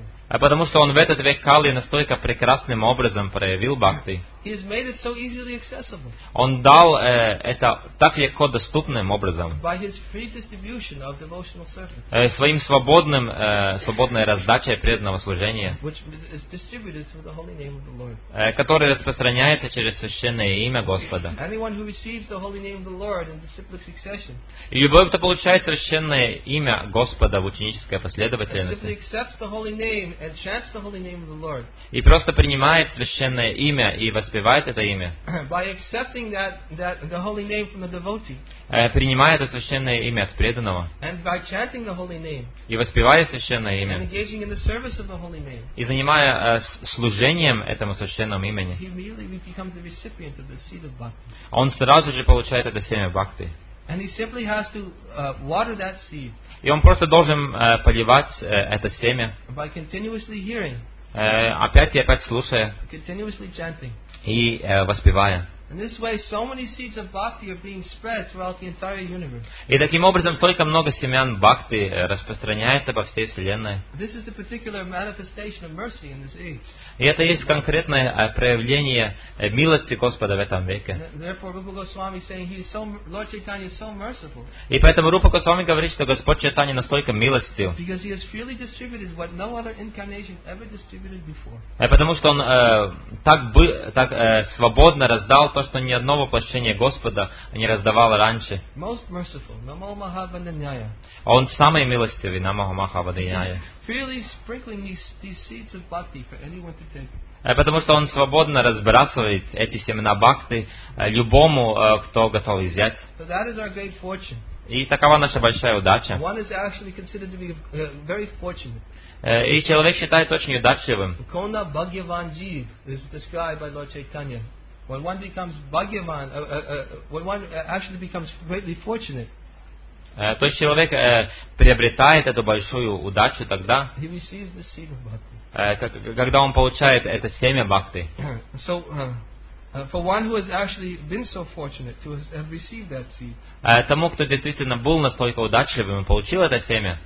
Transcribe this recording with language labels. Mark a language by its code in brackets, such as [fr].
[ru] Потому что Он в этот век Кали настолько прекрасным образом проявил бхакти. [en] He has made it so easily accessible. [ru] Он дал это так легко доступным образом. [en] By his free distribution of devotional service. [ru] Своим свободным, свободной раздачей преданного служения. [en] Which is distributed through the holy name of the Lord. [ru] Который распространяется через священное имя Господа. [en] Anyone who receives the holy name of the Lord in disciplic succession. [ru] И любой, кто получает священное имя Господа в ученической последовательности. [en] Simply accepts the holy name and chants the holy name of the Lord. [ru] И просто принимает священное имя и воспевает это имя. [en] By accepting that the holy name from the devotee. [ru] Принимая это священное имя от преданного. [en] And by chanting the holy name. [ru] И воспевая священное имя. [en] And engaging in the service of the holy name. [ru] И занимая служением этому священному имени. [en] He immediately becomes the recipient of the seed of bhakti. [ru] Он сразу же получает это семя бхакти. [en] And he simply has to water that seed. [ru] И он просто должен поливать это семя. [en] By continuously hearing. [ru] Опять и опять слушая [en] continuously chanting. [ru] И воспевая. [en] In this way, so many seeds of bhakti are being spread throughout the entire universe. [ru] И таким образом столько много семян бхакти распространяется по всей вселенной. [en] This is the particular manifestation of mercy in this age. [ru] И это есть конкретное проявление милости Господа в этом веке. [en] Therefore, Rupa Goswami saying he is so Lord Chaitanya is so merciful. [ru] И поэтому Рупа Госвами говорит, что Господь Чайтанья настолько милостив. [en] Because he has freely distributed what no other incarnation ever distributed before. [ru] Потому что он так свободно раздал то, что ни одно воплощение Господа не раздавало раньше. [en] Most merciful, Namo Mahabandhanyaya. [ru] Он самый милостивый, Namo Mahabandhanyaya. [en] Freely sprinkling these seeds of bhakti for anyone to take. [ru] Потому что он свободно разбрасывает эти семена бхакти любому, кто готов взять. [en] So that is our great fortune. [ru] И такова наша большая удача. [en] One is actually considered to be very fortunate. [ru] И человек считает очень удачливым. [en] Kona Bhagyavan Jeev is described by Lord Chaitanya. When one becomes bhagyavan, when one actually becomes greatly fortunate, [ru] то есть человек приобретает эту большую удачу тогда, [en] he receives the seed of bhakti. [ru] Когда он получает это семя бхакти. [en] So, for one who has actually been so fortunate to have received that seed, [ru] тому, кто действительно был настолько удачливым и получил это семя,